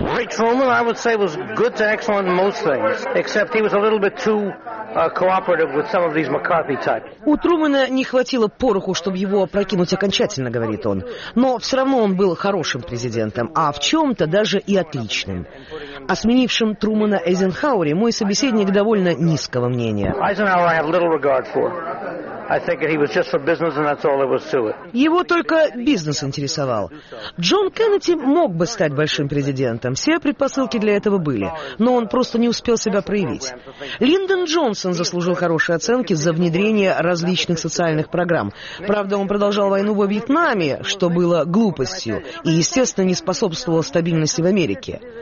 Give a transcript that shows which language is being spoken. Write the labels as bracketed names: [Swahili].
[Russian] Гарри Трумэн, я бы сказал, был хорошим к большинству вещей, только он был немного кооперативным с некоторыми из Маккарти-типов. У Трумэна не хватило пороху, чтобы его опрокинуть окончательно, говорит он. Но все равно он был хорошим президентом, а в чем-то даже и отличным. О сменившем Трумэна Эйзенхауэре мой собеседник довольно низкого мнения. [English] Eisenhower I have little regard for. I think that he was just for business and that's all there was to it. [Russian] Его только бизнес интересовал. Джон Кеннеди мог бы стать большим президентом. Все предпосылки для этого были, но он просто не успел себя проявить. Линдон Джонсон заслужил хорошие оценки за внедрение различных социальных программ. Правда, он продолжал войну во Вьетнаме, что было глупостью и, естественно, не способствовало стабильности в Америке.